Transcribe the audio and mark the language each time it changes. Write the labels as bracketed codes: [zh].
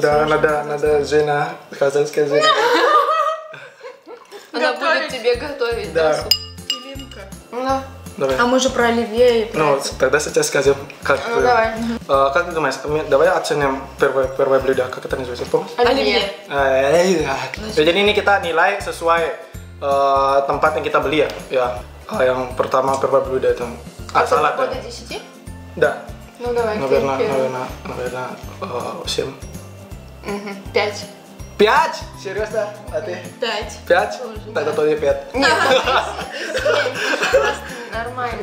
[ru] Да, надо жена, казахская жена. Она готовить. Будет тебе готовить, да? Оливка. Давай. А мы же про оливье и про... Ну, тогда сейчас скажем, как... Ну, давай. Как ты думаешь, давай оценим первое блюдо, как это называется, помнишь? Оливье. Значит, [id] ini kita nilai sesuai tempat yang kita beli ya. Ya. Yang pertama [ru] первое блюдо это... А салат. Это 10? Да. Ну, давай. Наверное, 7. 5. 5? Серьезно? А ты? 5. 5? Тогда тоже 5. Нет, 7. Нормально.